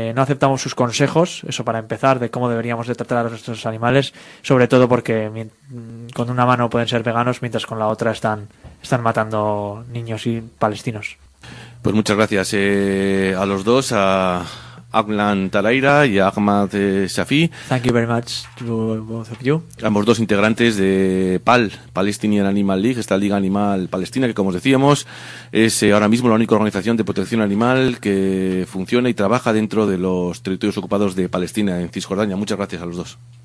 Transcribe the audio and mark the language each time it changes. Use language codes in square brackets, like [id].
[es] No aceptamos sus consejos, eso para empezar, de cómo deberíamos de tratar a nuestros animales, sobre todo porque con una mano pueden ser veganos, mientras con la otra están matando niños y palestinos. Pues muchas gracias a los dos, a Aglan Talaira y a Ahmad Shafi. [en] Thank you very much to both of you. [es] Ambos dos integrantes de PAL, Palestinian Animal League, esta liga animal palestina que, como os decíamos, es ahora mismo la única organización de protección animal que funciona y trabaja dentro de los territorios ocupados de Palestina en Cisjordania. Muchas gracias a los dos.